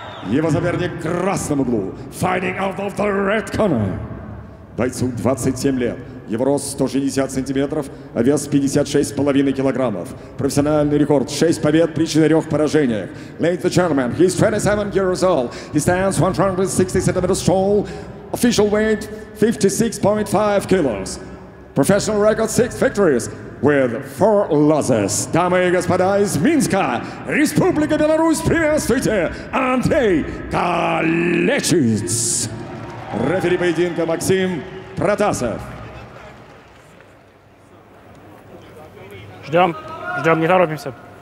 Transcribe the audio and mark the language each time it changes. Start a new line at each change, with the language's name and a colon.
Russian: Его соперник в красном углу,
English: fighting out of the red corner.
Russian: Бойцу 27 лет, его рост 160 сантиметров, а вес 56,5 килограммов. Профессиональный рекорд 6 побед при 4 поражениях.
English: Ladies and gentlemen, he's 27 years old, he stands 160 centimeters tall, official weight 56.5 kilos. Professional record 6 victories with 4 losses.
Russian: Дамы и господа из Минска, Республика Беларусь, приветствуйте, Андрей Калечиц. Рефери поединка Максим Протасов. Ждем, ждем, не торопимся.